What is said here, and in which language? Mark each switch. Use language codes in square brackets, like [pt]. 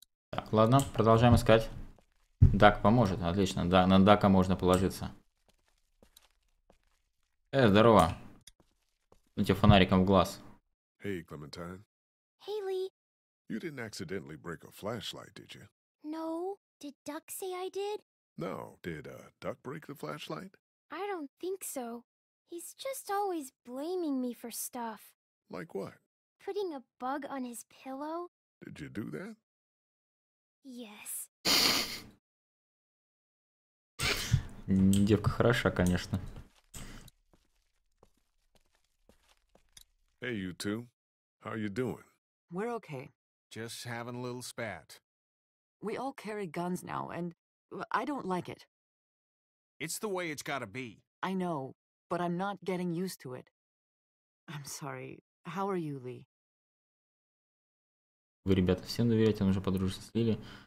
[ru] Так, ладно, продолжаем искать. Дак поможет. Отлично. Да, на Дака можно положиться. Здорово. Ну тебе фонариком в глаз. [en] Hey, Clementine. Hey, Lee. You didn't accidentally break a flashlight, did you? No. Did Duck say I did? No. Did Duck break the flashlight? I don't think so. He's just always blaming me for stuff. Like what? Putting a bug on his pillow. Did you do that? Yes. [ru] Девка хороша, конечно. [en] Hey, you two. How are you doing? We're okay. Just having a little spat. We all carry guns now, and I don't like it. It's the way it's gotta be. I know, but I'm not getting used to it. I'm sorry. How are you, Lee? [ru] Вы, ребята, всем доверяете, он уже подружился с Лили.